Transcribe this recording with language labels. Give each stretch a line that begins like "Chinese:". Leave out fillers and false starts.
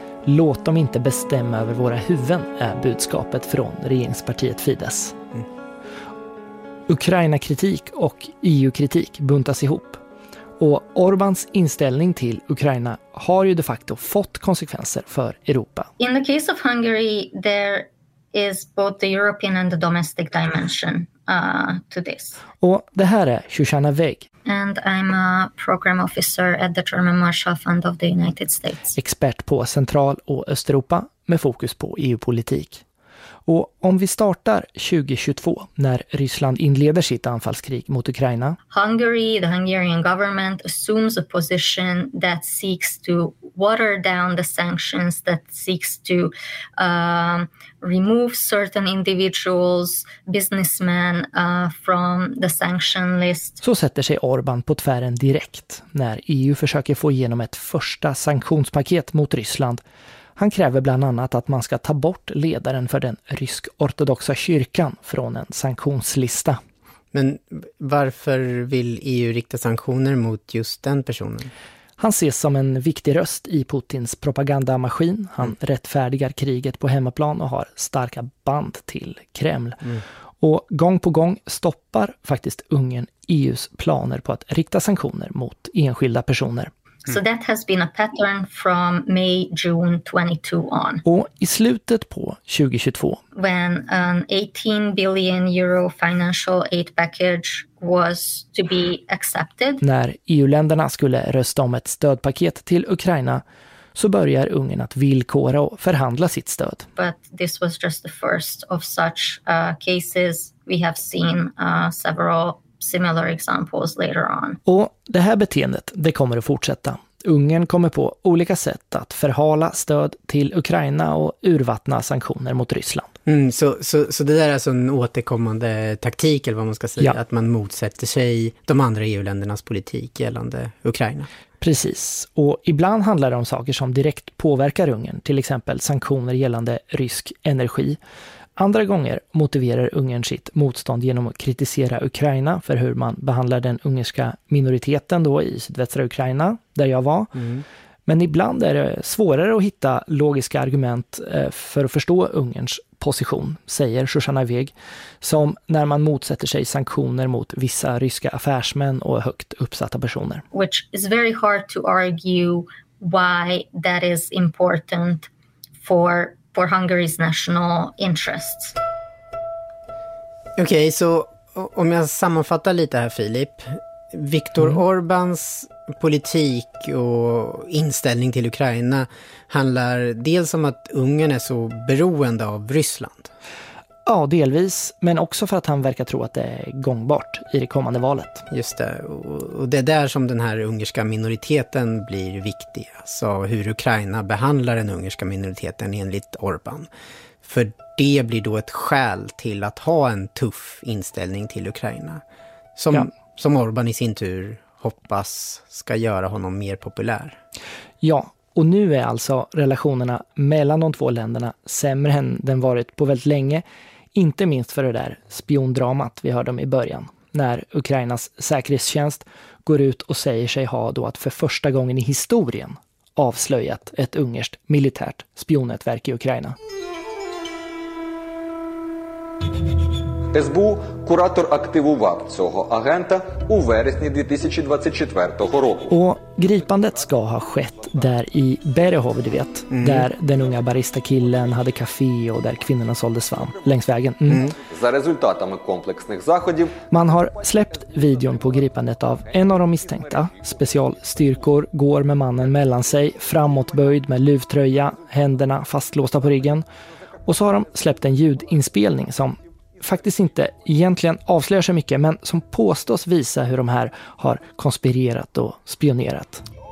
Swedish: Låt dem inte bestämma över våra huvuden, är budskapet från regeringspartiet Fidesz. Ukraina-kritik och EU-kritik buntas ihop. Och Orbáns inställning till Ukraina har ju de facto fått konsekvenser för Europa.
English: In the case of Hungary, there is both the European and the domestic dimension to this.
Swedish: Och det här är Shoshana Weg.
English: And I'm a program officer at the German Marshall Fund of the United States.
Swedish: Expert på Central- och Östeuropa med fokus på EU-politik. Och om vi startar 2022 när Ryssland inleder sitt anfallskrig mot Ukraina.
English: Hungary, the Hungarian government assumes a position that seeks to water down the sanctions, that seeks to remove certain individuals, businessmen from the sanction list.
Swedish: Så sätter sig Orbán på tvären direkt när EU försöker få igenom ett första sanktionspaket mot Ryssland. Han kräver bland annat att man ska ta bort ledaren för den rysk-ortodoxa kyrkan från en sanktionslista. Men varför vill EU rikta sanktioner mot just den personen? Han ses som en viktig röst i Putins propagandamaskin. Han rättfärdigar kriget på hemmaplan och har starka band till Kreml. Mm. Och gång på gång stoppar faktiskt Ungern EUs planer på att rikta sanktioner mot enskilda personer. Mm.
English: So that has been a pattern from May, June 22 on.
Swedish: Och i slutet på 2022,
English: when an 18 billion euro financial aid package was to be accepted,
Swedish: när EU-länderna skulle rösta om ett stödpaket till Ukraina, så börjar Ungern att villkora och förhandla sitt stöd.
English: But this was just the first of such cases. We have seen several similar examples later on.
Swedish: Och det här beteendet, det kommer att fortsätta. Ungern kommer på olika sätt att förhala stöd till Ukraina och urvattna sanktioner mot Ryssland. Mm, så det där är alltså en återkommande taktik, eller vad man ska säga, ja. Att man motsätter sig de andra EU-ländernas politik gällande Ukraina. Precis, och ibland handlar det om saker som direkt påverkar Ungern, till exempel sanktioner gällande rysk energi. Andra gånger motiverar Ungern sitt motstånd genom att kritisera Ukraina för hur man behandlar den ungerska minoriteten då i sydvästra Ukraina, där jag var. Mm. Men ibland är det svårare att hitta logiska argument för att förstå Ungerns position, säger Shoshana Weg, som när man motsätter sig sanktioner mot vissa ryska affärsmän och högt uppsatta personer.
English: Which is very hard to argue why that is important for Hungary's national interests.
Swedish: Okej, okay, så om jag sammanfattar lite här, Filip. Viktor Orbáns politik och inställning till Ukraina handlar dels om att Ungern är så beroende av Ryssland. Ja, delvis. Men också för att han verkar tro att det är gångbart i det kommande valet. Just det. Och det är där som den här ungerska minoriteten blir viktig. Alltså hur Ukraina behandlar den ungerska minoriteten enligt Orbán. För det blir då ett skäl till att ha en tuff inställning till Ukraina. Som Orbán i sin tur hoppas ska göra honom mer populär. Ja, och nu är alltså relationerna mellan de två länderna sämre än den varit på väldigt länge. Inte minst för det där spiondramat vi hörde om i början. När Ukrainas säkerhetstjänst går ut och säger sig ha då att för första gången i historien avslöjat ett ungerskt militärt spionnätverk i Ukraina.
Ukrainian: СБУ куратор активував цього агента у вересні 2024 року.
Swedish: Och gripandet ska ha skett där i Berehov, du vet. Mm. Där den unga baristakillen hade kafé och där kvinnorna sålde svamp längs vägen. Mm.
Ukrainian: За результатами комплексних заходів.
Swedish: Man har släppt videon på gripandet av en av de misstänkta. Specialstyrkor går med mannen mellan sig, framåtböjd med luvtröja, händerna fastlåsta på ryggen. Och så har de släppt en ljudinspelning som faktiskt inte egentligen avslöjar så mycket, men som påstås visa hur de här har konspirerat och spionerat.